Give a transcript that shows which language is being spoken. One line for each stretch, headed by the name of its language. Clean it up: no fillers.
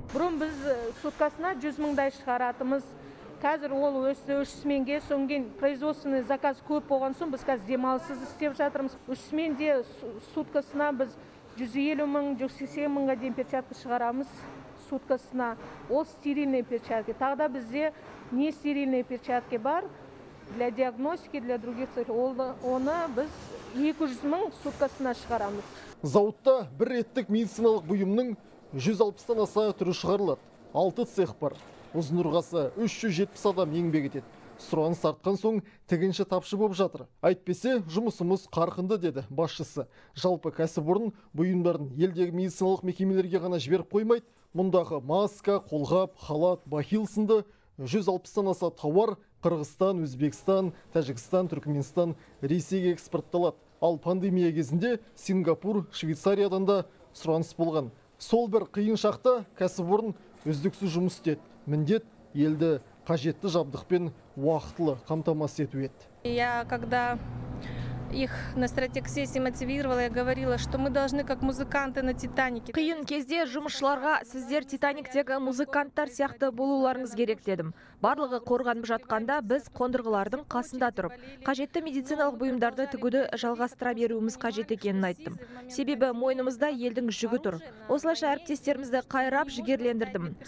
Kazakh: Бұрын біз суткасына 100 мыңдай шығаратымыз. Қазір ол өсті 300 мыңға, сонген
Russian: производственный заказ
Kazakh: көп болған соң біз қазір демалыссыз істеп жатырмыз. 300 мыңда суткасына біз 150 мың, 180 мыңға дейін перчатка шығарамыз суткасына. Ол стерильный перчатки. Тағда бізде
Russian: не стерильный перчатки
Kazakh: бар
Russian: для диагностики, для других целей.
Kazakh: Оны біз 200 мың суткасына шығарамыз. Зауытта бір реттік медициналық бұйымның 160-тан аса түрі шығарылады. 6 цех бар. Ұзынұрғасы 370 адам еңбек етеді. Сұраныс артқан соң тігінші тапшы болып жатыр. Айтпесе жұмысымыз қарқынды деді басшысы. Жалпы кәсіпорын бұйымдарын елдегі медициналық мекемелерге ғана жіберіп қоймайды. Мұндағы маска, қолғап, халат, бахил сынды 160-тан аса тауар Қырғызстан, Өзбекстан, Тәжікстан, Түркменстан, Ресейге экспортталады. Ал пандемия кезінде Сингапур, Швейцариядан да сұраныс болған. Сол бір қиын шақта кәсіпорын үздіксіз жұмыс істеді. Міндет елді қажетті жабдықпен уақытылы қамтамасыз ету еді.
Russian: Я когда их на стратегсессии мотивировала, я говорила, что мы должны как музыканты на Титанике.
Kazakh: Қиын кезде жұмысшыларға сіздер Титаниктегі музыканттар сияқты болуларыңыз керек дедім. Барлығы қорғанып жатқанда біз қондырғылардың қасында тұрып, қажетті медициналық бұйымдарды тігуді жалғастыра беруіміз қажет екенін айттым. Себебі мойнымызда елдің жүгі тұр. Осылайша әріптестерімізді қайрап жігерлендірдім.